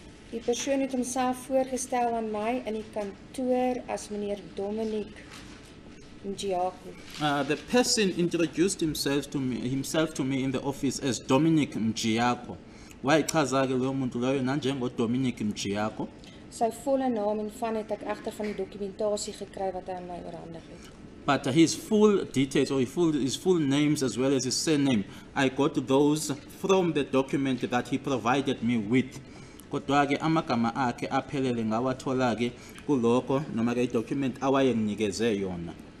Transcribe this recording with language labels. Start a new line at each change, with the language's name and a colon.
Afrikaans: Die persoon het homself voorgestel aan my in die kantoor as meneer Dominic Mjiaku.
English: The person introduced himself to me in the office as Dominic Mjiaku.
Zulu: Wayichaza ke lo muntu loyo nanjengo Dominic Mjiaku.
Afrikaans: Sy volle naam en van het ek agter van die dokumentasie gekry wat hy aan my oorhandig het.
English: But his full details or his full names as well as his surname, I got those from the document that he provided me with.
Zulu: Kodwa-ke amagama akhe aphelele ngawathola-ke kulokho noma-ke i-document awayenginikeze yona.